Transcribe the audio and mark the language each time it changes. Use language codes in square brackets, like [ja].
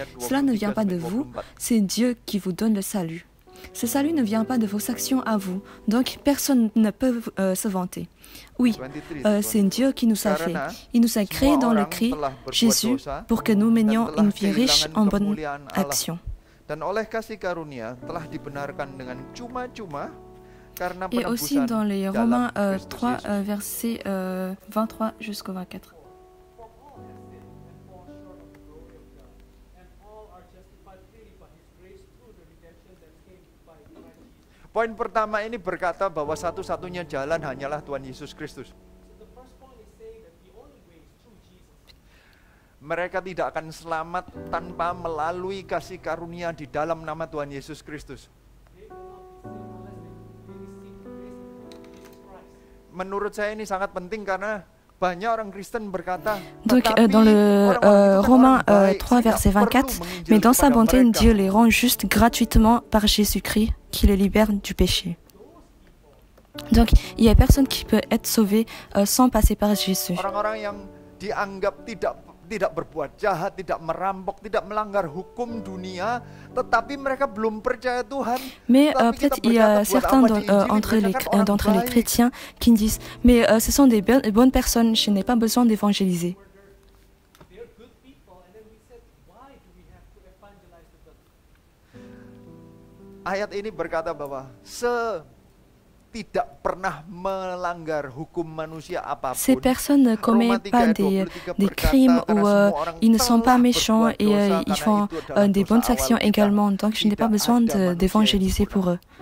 [fr] Cela ne vient pas de vous, c'est Dieu qui vous donne le salut. Ce salut ne vient pas de vos actions à vous, donc personne ne peut se vanter. Oui, c'est Dieu qui nous a fait. Il nous a créé dans le Christ, Jésus, pour que nous menions une vie riche en bonnes actions. [id] Dan oleh kasih karunia telah dibenarkan dengan cuma-cuma karena penebusan. [fr] Et aussi dans les Romains 3, verset 23 jusqu'au 24. [id] Poin pertama ini berkata bahwa satu-satunya jalan hanyalah Tuhan Yesus Kristus. Mereka tidak akan selamat tanpa melalui kasih karunia di dalam nama Tuhan Yesus Kristus. Menurut saya ini sangat penting karena banyak orang Kristen berkata, [fr] donc dans le Romains 3 verset 24, mais dans sa bonté Dieu les rend juste gratuitement par Jésus-Christ qui les libère du péché. Donc il y a personne qui peut être sauvé sans passer par Jésus. [id] Orang-orang yang dianggap tidak berbuat jahat, tidak merampok, tidak melanggar hukum dunia, tetapi mereka belum percaya Tuhan. [fr] Mais peut-être il y a certains d'entre les chrétiens qui disent, mais ce sont des bonnes personnes, je n'ai pas besoin d'évangéliser. [id] Ayat ini berkata bahwa tidak pernah melanggar hukum manusia apapun. [fr] Ces personnes ne commettent pas des crimes ou ils ne sont pas méchants et ils font des bonnes actions également. Donc je n'ai pas besoin d'évangéliser pour eux.